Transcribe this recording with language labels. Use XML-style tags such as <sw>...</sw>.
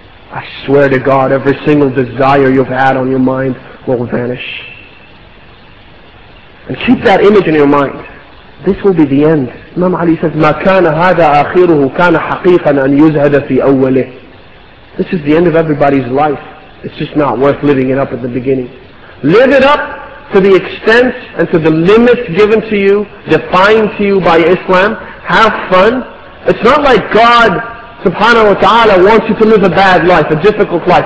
<en>I swear to God, every single desire you've had on your mind will vanish. And keep that image in your mind. This will be the end. Imam Ali says,</en> <ar>مَا كَانَ هَذَا آخِرُهُ كَانَ حَقِيقًا أَنْ يُزْهَدَ فِي أَوَّلِهِ.</ar> <en>This is the end of everybody's life. It's just not worth living it up at the beginning. Live it up to the extent and to the limits given to you, defined to you by Islam. Have fun. It's not like God subhanahu wa ta'ala wants you to live a bad life, a difficult life.</en>